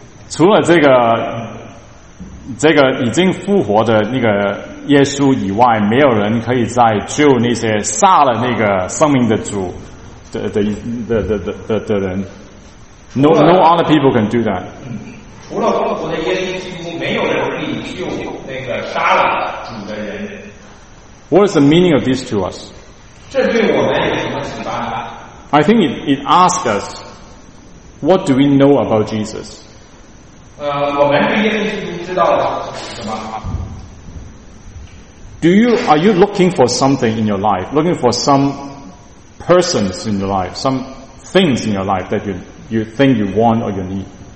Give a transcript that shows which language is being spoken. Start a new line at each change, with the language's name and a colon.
Chinese: 除了这个已经复活的那个耶稣以外，没有人可以再救那些杀了那个生命的主的人。
English: No other people can do that.
Chinese: 除了复活的耶稣基督，没有人可以救那个杀了主的人。
English: What is the meaning of this to us?
Chinese: 这对我们有什么启发呢？
English: I think it asks us, what do we know about Jesus?
Chinese: 我们对耶稣基督知道了什么？
English: Are you looking for something in your life? Looking for some persons in your life, some things in your life that you think you want or you need?